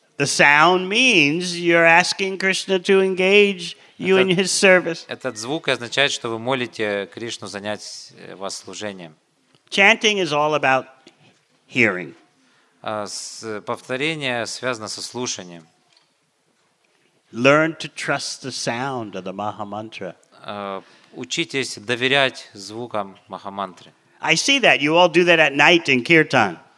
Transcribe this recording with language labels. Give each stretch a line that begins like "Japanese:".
English: The sound means you're asking Krishna to engage you in his service.
Russian: Этот звук означает, что вы молите Кришну занять вас служением.
English: Chanting is all about hearing.
Russian: Повторение связано со слушанием.
English: Learn to trust the sound of the Mahamantra.
Russian: Учитесь доверять звукам Махамантры.
English: I see that. You all do that at night in Kirtan.